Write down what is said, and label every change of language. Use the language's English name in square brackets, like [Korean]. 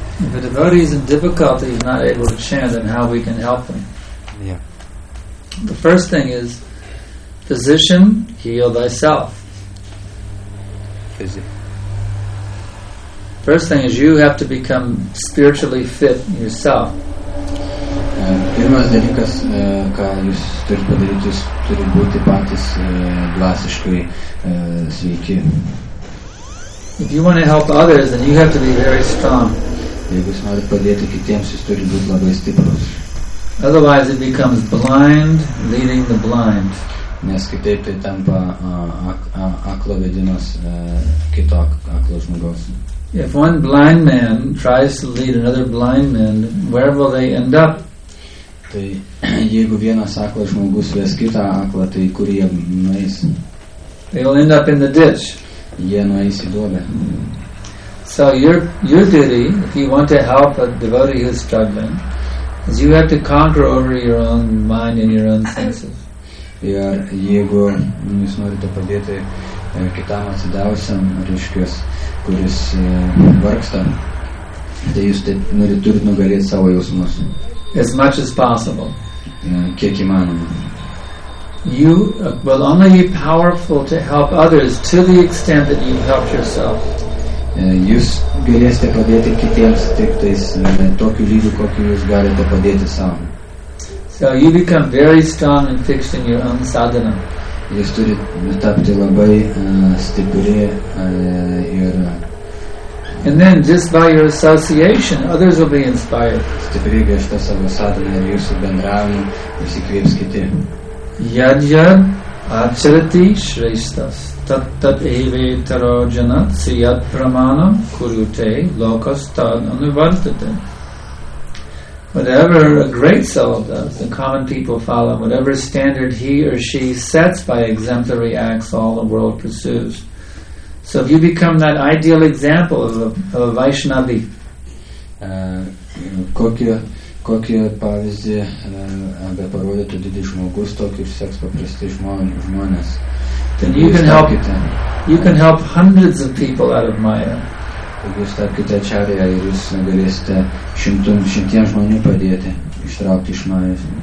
[English] If a devotee is in difficulty, he's not able to chant, then how we can help him? Yeah. The first thing is, physician, heal thyself. First thing is, you have to become spiritually fit yourself. [Lithuanian] Pirmas dalykas, ką jūs turite padaryti, jūs turite būti patys dvasiškai sveiki. [English] If you want to help others, then you have to be very strong. [Lithuanian] Jeigu jūs norite padėti kitiems, jūs turite būti labai stiprus. [English] Otherwise it becomes blind leading the blind. [Lithuanian] Nes kitaip tai tampa aklo vedimas kito aklo žmogaus. [English] If one blind man tries to lead another blind man, where will they end up? [Lithuanian] Tai jeigu vienas aklas žmogus ves kitą aklą, tai kur jie nueis? [English] They will end up in the ditch. [Lithuanian] Jie nueis į duobę. [English] So your duty, if you want to help a devotee who's struggling, is you have to conquer over your own mind and your own senses. [Lithuanian] Ir jeigu jūs norite padėti kitam atsidavusiam, reiškias, kuris vargsta, tai jūs turite nugalėti savo jausmus. [English] As much as possible. [Lithuanian] Kiek įmanoma. [English] You will only be powerful to help others to the extent that you've helped yourself. [Lithuanian] Jūs galėsite padėti kitiems tik tais tokiu lygiu, kokiu jūs galite padėti savo. [English] So you become very strong and fixed in your own sadhana. [Lithuanian] Jūs turite tapti labai stipri ir [English] and then just by your association others will be inspired. [Lithuanian] Stipri gėšta savo sadhana ir jūsų bendravimu įsikvėps kiti. [Sanskrit] Yad-yad acharati shreshtas tat-tat evetaro janat siyat pramanam kurute lokastad anuvartate. [English] Whatever a great soul does, the common people follow, whatever standard he or she sets by exemplary acts all the world pursues. So if you become that ideal example of a Vaishnavi, [Lithuanian] kokio pavyzdį beparodytų didį žmogus, tokį išseks paprasti žmonės. [English] Then you can help hundreds of people out of Maya. [Lithuanian] Jūs tapkite ačariją ir jūs galėsite šimtiem žmonių padėti ištraukti iš Majos.